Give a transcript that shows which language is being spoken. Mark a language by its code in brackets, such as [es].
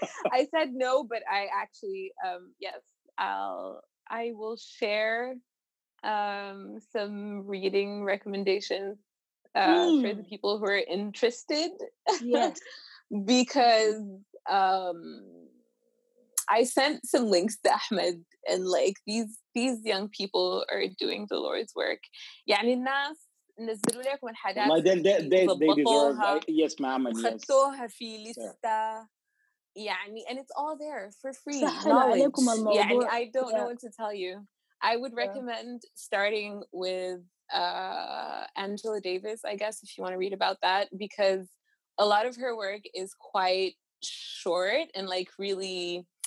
[en] I said no, but I actually yes. I will share some reading recommendations for the people who are interested. Yes, because I sent some links to Ahmed, and like these young people are doing the Lord's work. [ar] يعني الناس نزلوا لكم الحاجات. [en] Yes, ma'am. And yes. [ar] خدتوها في لستة. [en] يعني and it's all there for free. Knowledge. يعني I don't know what to tell you. I would recommend starting with Angela Davis, I guess, if you want to read about that, because a lot of her work is quite short and like really.